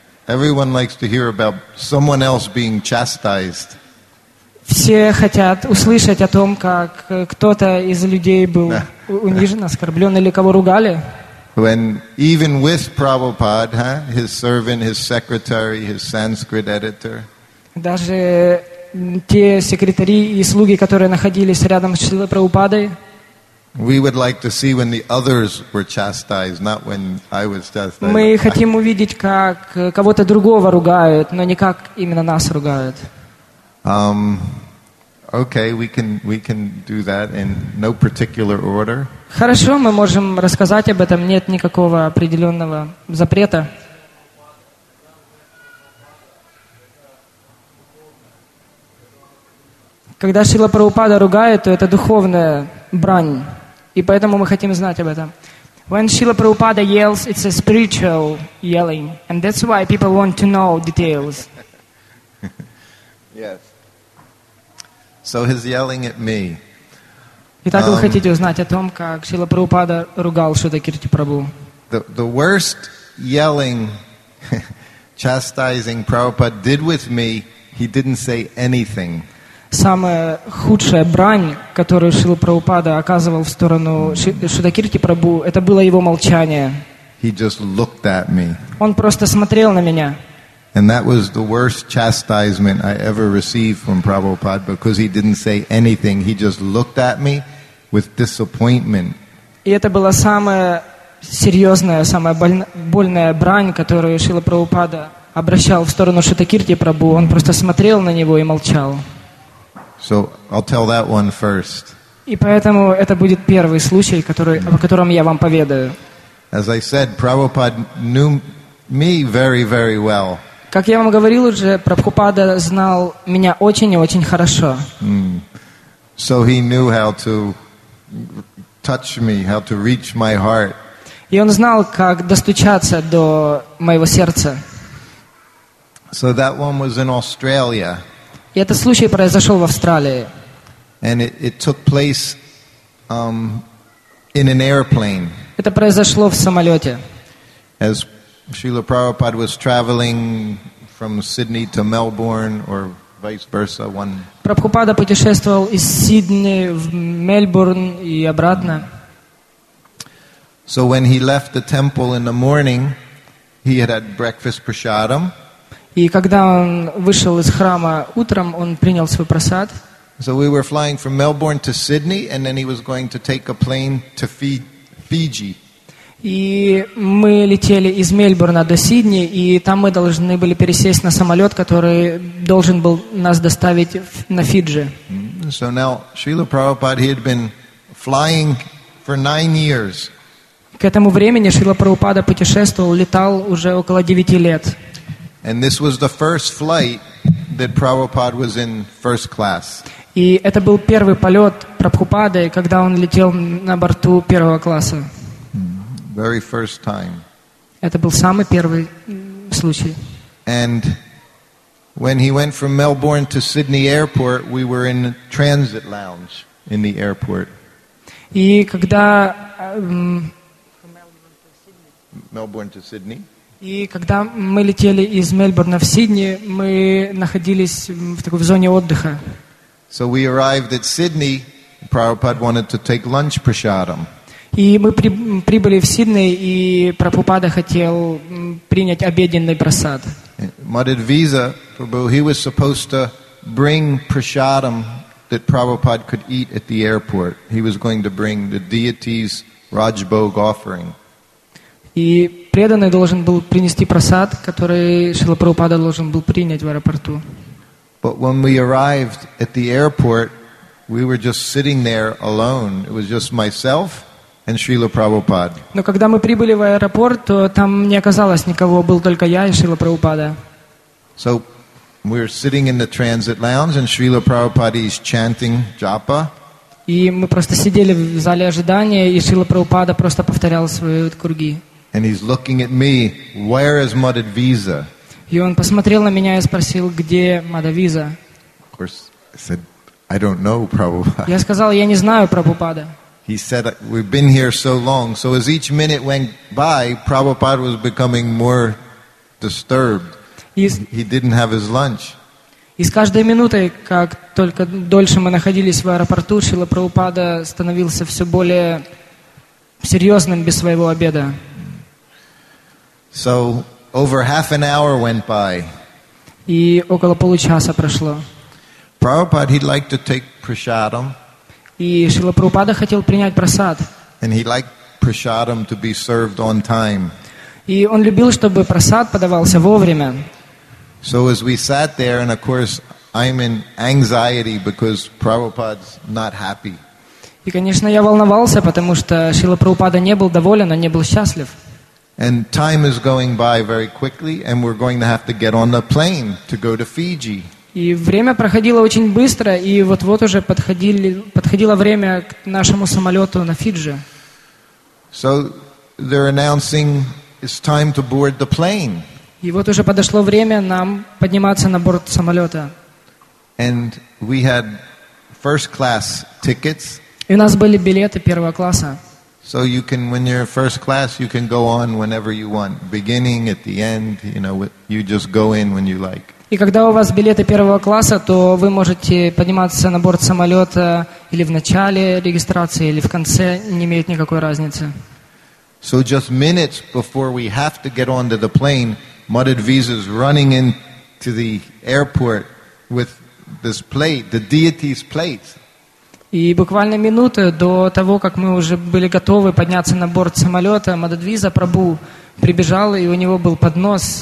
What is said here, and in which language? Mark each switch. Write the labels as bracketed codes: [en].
[en] Everyone likes to hear about someone else being chastised. [ru] Все хотят услышать о том, как кто-то из людей был унижен, оскорблен или кого ругали. [en] When even with Prabhupada, huh, his servant, his secretary, his Sanskrit editor. [ru] Даже те секретари и слуги, которые находились рядом с Шрилой Прабхупадой. [en] We would like to see when the others were chastised, not when I was chastised. [ru] Мы хотим увидеть, как кого-то другого ругают, но не как именно нас ругают. [en] Okay, we can do that in no particular order. [ru] Хорошо, мы можем рассказать об этом. Нет никакого определенного запрета. Когда Шрила Прабхупада ругает, то это духовная брань. И поэтому мы хотим знать об этом. [en] When Srila Prabhupada yells, it's a spiritual yelling. And that's why people want to know details. Yes. So he's yelling at me. [ru] Итак, вы хотите узнать о том, как Шрила Прабхупада ругал Шрила Кирти Прабху. [en] The worst yelling, chastising Prabhupada did with me, he didn't say anything. [ru] Самая худшая брань, которую Шрила Прабхупада оказывал в сторону Шрила Кирти Прабху, это было его молчание. [en] He just looked at me. [ru] Он просто смотрел на меня. [en] And that was the worst chastisement I ever received from Prabhupada because he didn't say anything. He just looked at me with disappointment. [ru] И это была самая серьезная, самая больная брань, которую Шрила Прабхупада обращал в сторону Шрила Кирти Прабху. Он просто смотрел на него и молчал. [en] So I'll tell that one first. [ru] И поэтому это будет первый случай, о котором я вам поведаю. [en] As I said, Prabhupada knew me very, very well. [ru] Как я вам говорил уже, Прабхупада знал меня очень и очень хорошо. [en] So he knew how to touch me, how to reach my heart. [ru] И он знал, как достучаться до моего сердца. [en] So that one was in Australia. [ru] И этот случай произошел в Австралии. [en] And it took place in an airplane. [ru] Это произошло в самолете. [en] As Srila Prabhupada was traveling from Sydney to Melbourne or vice versa, one. [ru] Прабхупада путешествовал из Сидни в Мельбурн и обратно. [en] So when he left the temple in the morning, he had breakfast prasadam. [ru] И когда он вышел из храма утром, он принял свой просад. [en] So we were flying from Melbourne to Sydney, and then he was going to take a plane to Fiji. [ru] И мы летели из Мельбурна до Сидни, и там мы должны были пересесть на самолет, который должен был нас доставить на Фиджи. [en] So now Srila Prabhupada, he had been flying for 9 years. [ru] К этому времени Шрила Прабхупада путешествовал, летал уже около 9 лет. [en] And this was the first flight that Prabhupada was in first class. [ru] И это был первый полет Прабхупады, когда он летел на борту первого класса. [en] Very first time. [ru] Это был самый первый случай. [en] And when he went from Melbourne to Sydney Airport, we were in the transit lounge in the airport. [ru] И когда [en] Melbourne to Sydney. [ru] И когда мы летели из Мельбурна в Сидни, мы находились в такой зоне отдыха. [en] So we arrived at Sydney. Prabhupada wanted to take lunch prasadam. [ru] И мы прибыли в Сидни, и Прабхупада хотел принять обеденный просад. [en] Madhavisa Prabhu, he was supposed to bring prasadam that Prabhupada could eat at the airport. He was going to bring the deity's Rajbhog offering. [ru] И преданный должен был принести просад, который Шрила Прабхупада должен был принять в аэропорту. [en] But when we arrived at the airport, we were just sitting there alone. It was just myself and Srila Prabhupada. [ru] Но когда мы прибыли в аэропорт, то там не оказалось никого, был только я и Шрила Прабхупада. [en] So we were sitting in the transit lounge and Srila Prabhupada is chanting japa. [ru] И мы просто сидели в зале ожидания, и Шрила Прабхупада просто повторял свои курги. [en] And he's looking at me, where is Madhavisa? [ru] И он посмотрел на меня и спросил, где Madhavisa? [en] Of course, I said, I don't know, Prabhupada. [ru] Я сказал, я не знаю Прабхупада. [en] He said, we've been here so long. So as each minute went by, Prabhupada was becoming more disturbed. He didn't have his lunch. [ru] И с каждой минутой, как только дольше мы находились в аэропорту, Шрила Прабхупада становился все более серьезным без своего обеда. [en] So, over half an hour went by. [ru] И около получаса прошло. [en] Prabhupada, he'd like to take prasadam. [ru] И Шрила Прабхупада хотел принять прасад. [en] And he liked prasadam to be served on time. [ru] И он любил, чтобы прасад подавался вовремя. [en] So as we sat there, and of course, I'm in anxiety because Prabhupada's not happy. [ru] И, конечно, я волновался, потому что Шрила Прабхупада не был доволен, он не был счастлив. [en] And time is going by very quickly, and we're going to have to get on the plane to go to Fiji. [ru] И время проходило очень быстро, и вот-вот уже подходило время к нашему самолету на Фиджи. [en] So they're announcing it's time to board the plane. [ru] И вот уже подошло время нам подниматься на борт самолета. [en] And we had first class tickets. [ru] И у нас были билеты первого класса. [en] So you can, when you're first class, you can go on whenever you want, beginning at the end, you know, you just go in when you like. [ru] И когда у вас билеты первого класса, то вы можете подниматься на борт самолета или в начале регистрации, или в конце, не имеет никакой разницы. [en] So just minutes before we have to get onto the plane, Mudded Visa's running into the airport with this plate, the deity's plate. [ru] И буквально минуты до того, как мы уже были готовы подняться на борт самолета, Mudded Visa Prabhu прибежал, и у него был поднос.